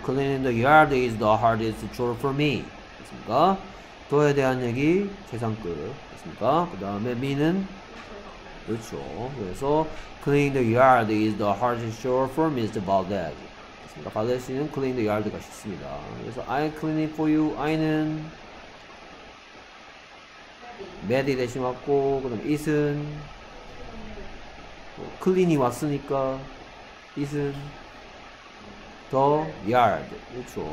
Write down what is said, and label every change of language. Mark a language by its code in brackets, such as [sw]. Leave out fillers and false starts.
[en] Cleaning the yard is the hardest chore for me. [ko] 그렇습니까? 도에 대한 얘기 최상급. 그렇습니까? 그 다음에 me는 그렇죠. [en] 그래서 Cleaning the yard is the hardest chore for Mr. [ko] Valdez. 그렇습니까? Valdez 씨는 [en] Cleaning the yard [ko] 가 쉽습니다. [en] 그래서 I clean it for you. [ko] I는 매디 대신 왔고, 그 다음에 잇은 클린이 왔으니까 잇은 더 yard. 그렇죠.